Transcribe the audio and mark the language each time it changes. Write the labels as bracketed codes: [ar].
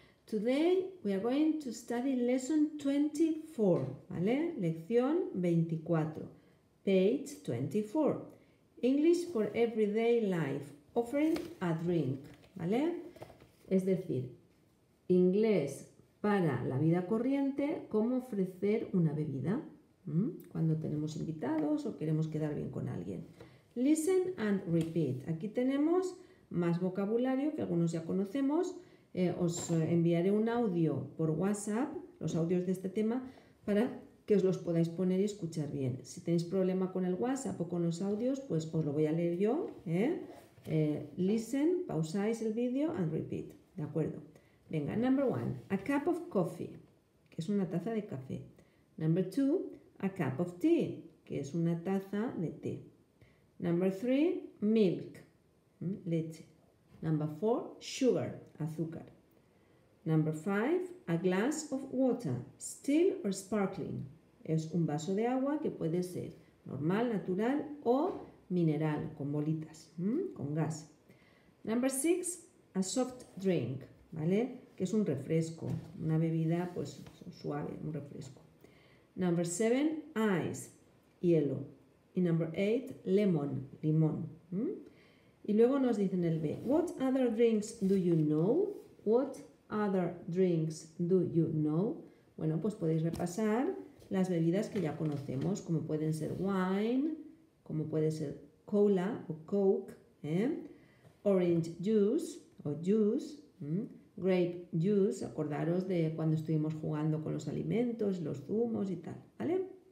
[en] Today we are going to study lesson 24. ¿Vale? [es] Lección 24. Page 24. [en] English for everyday life. Offering a drink. ¿Vale? [es] Es decir, inglés para la vida corriente, cómo ofrecer una bebida. Cuando tenemos invitados o queremos quedar bien con alguien. [en] Listen and repeat. [es] Aquí tenemos más vocabulario que algunos ya conocemos. Os enviaré un audio por WhatsApp, los audios de este tema, para que os los podáis poner y escuchar bien. Si tenéis problema con el WhatsApp o con los audios, pues os lo voy a leer yo. Listen, pausáis el vídeo [en] and repeat. [es] ¿De acuerdo? Venga, [en] number one, a cup of coffee, [es] que es una taza de café. [en] Number two, a cup of tea, [es] que es una taza de té. [en] Number three, milk, leche. Number four, sugar, azúcar. Number five, a glass of water, still or sparkling. [es] Es un vaso de agua que puede ser normal, natural o mineral, con bolitas, con gas. [en] Number six, a soft drink, [es] ¿vale? Que es un refresco, una bebida pues suave, un refresco. [en] Number seven, ice, hielo. Y number eight, lemon, limón. [es] Y luego nos dicen el B. [en] What other drinks do you know? What other drinks do you know? [es] Bueno, pues podéis repasar las bebidas que ya conocemos, como pueden ser wine, como puede ser cola o coke, orange juice o juice, grape juice, acordaros de cuando estuvimos jugando con los alimentos, los zumos y tal, ¿vale?